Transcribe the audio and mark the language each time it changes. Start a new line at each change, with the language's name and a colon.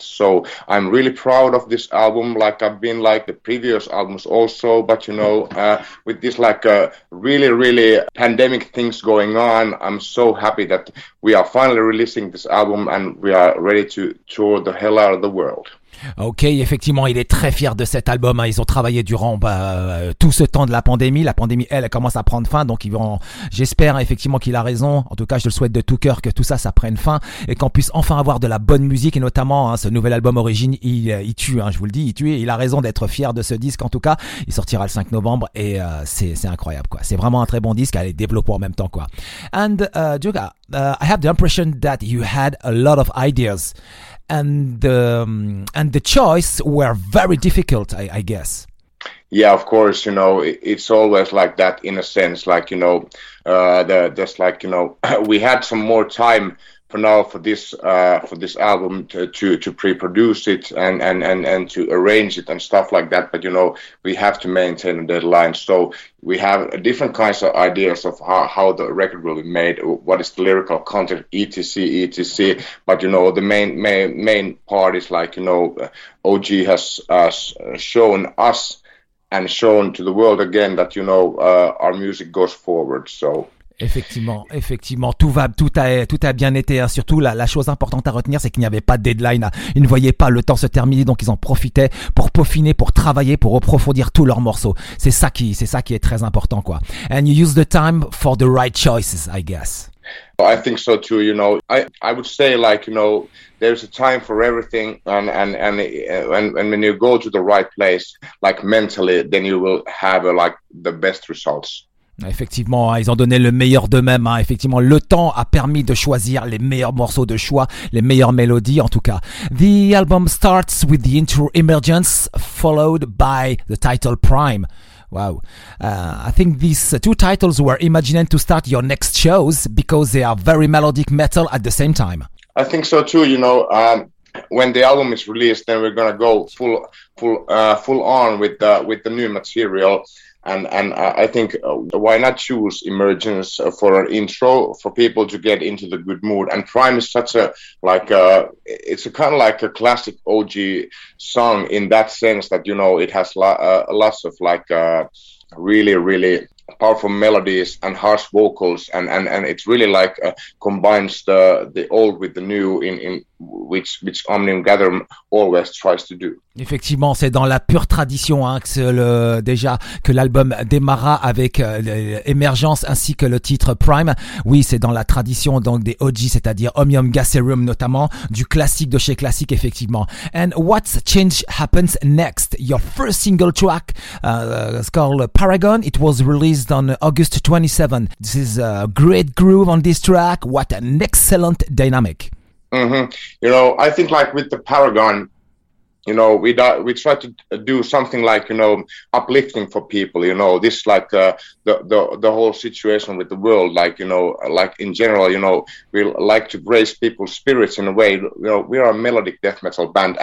English: So I'm really proud of this album, like I've been like the previous albums also, but you know, with this like really, really pandemic things going on, I'm so happy that we are finally releasing this album and we are ready to tour the hell out of the world.
French: Ok, effectivement, il est très fier de cet album. Ils ont travaillé durant tout ce temps de la pandémie. La pandémie, elle commence à prendre fin. Donc, j'espère effectivement qu'il a raison. En tout cas, je le souhaite de tout cœur que tout ça prenne fin et qu'on puisse enfin avoir de la bonne musique. Et notamment, ce nouvel album Origin, il tue. Je vous le dis, il tue. Il a raison d'être fier de ce disque. En tout cas, il sortira le 5 novembre et c'est incroyable, quoi. C'est vraiment un très bon disque à les développer en même temps, quoi.
English: And Jukka, I have the impression that you had a lot of ideas. And the choice were very difficult, I guess. Yeah, of course, you know, it's always like that in a sense, like, you know, just like, you know, we had some more time for now for this album to pre-produce it and to arrange it and stuff like that. But, you know, we have to maintain a deadline. So we have different kinds of ideas of how the record will be made, what is the lyrical content, etc. But, you know, the main part is like, you know, OG has shown us and shown to the world again that, you know, our music goes forward. So
French: Effectivement, tout a bien été. Hein. Surtout, la chose importante à retenir, c'est qu'il n'y avait pas de deadline. Ils ne voyaient pas le temps se terminer, donc ils en profitaient pour peaufiner, pour travailler, pour approfondir tous leurs morceaux. C'est ça qui est très important, quoi.
English: And you use the time for the right choices, I guess. I think so too. You know, I would say, like, you know, there's a time for everything, and when you go to the right place, like mentally, then you will have like the best results.
French: Effectivement, ils ont donné le meilleur d'eux-mêmes. Effectivement, le temps a permis de choisir les meilleurs morceaux de choix, les meilleures mélodies en tout cas.
English: The album starts with the intro Emergence, followed by the title Prime. Wow. I think these two titles were imagined to start your next shows because they are very melodic metal at the same time. I think so too, you know. When the album is released, then we're gonna go full on with the new material. And I think why not choose Emergence for an intro for people to get into the good mood? And Prime is such a, like, it's a kind of like a classic OG song in that sense that, you know, it has lots of like really, really powerful melodies and harsh vocals. And it's really like combines the old with the new in which Omnium Gatherum always tries to do.
French: Effectivement, c'est dans la pure tradition que l'album démarra avec Emergence ainsi que le titre Prime. Oui, c'est dans la tradition donc des OG, c'est-à-dire Omnium Gatherum notamment, du classique de chez classique, effectivement.
English: And what change happens next? Your first single track, it's called Paragon, it was released released on August 27. This is a great groove on this track. What an excellent dynamic. Mm-hmm. You know, I think like with the Paragon, you know, we try to do something like, you know, uplifting for people, you know, this like the whole situation with the world, like, you know, like in general, you know, we like to raise people's spirits in a way, you know, we are a melodic death metal band.